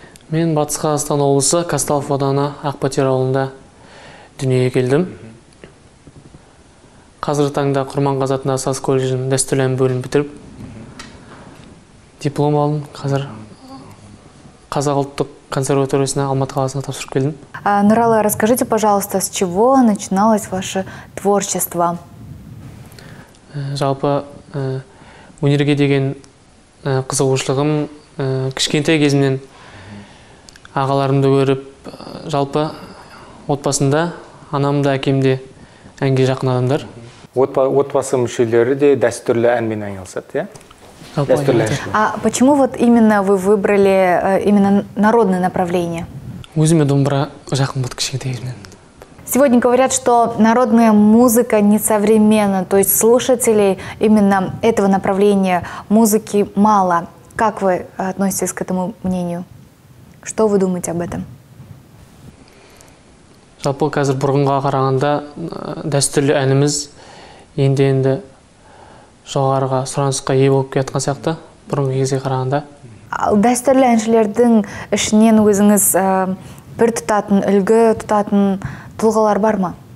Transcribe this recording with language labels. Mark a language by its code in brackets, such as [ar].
[kk] Мен Батыс Қазақстан облысы Қазталов ауданы Ақпатер ауылында дүниеге келдім. Қазіргі таңда Құрманғазы атындағы САС колледжінің дәстүрлі ән бөлімін бітіріп, диплом алдым. Қазір Қазақ ұлттық консерваториясына Алматы қаласына тапсырып келдім. [ru] Нұралы, расскажите, пожалуйста, с чего начиналось ваше творчество? [kk] Жалпы, өнерге деген қызығушылығым кішкентай кезімнен ағаларымды көріп, жалпы отбасында анамды әкемде әнге жақын адамдар. Отбасы мүшелері де дәстүрлі әнмен айналысады, иә? [ru] А почему вот именно вы выбрали именно народное направление? [kk] Өзіме домбыра жақын болды кішкентай кезімнен. [ru] Сегодня говорят, что народная музыка не современна, то есть слушателей именно этого направления музыки мало. Как вы относитесь к этому мнению? Что вы думаете об этом? [kk] Жалпы қазір бұрынға қарағанда дәстүрлі әніміз енді жоғарыға сұранысқа ие болып келатқан сияқты бұрынғы кезге қарағанда. Ал дәстүрлі әншілердің ішінен өзіңіз бір тұтатын, үлгі тұтатын тұлғалар бар ма?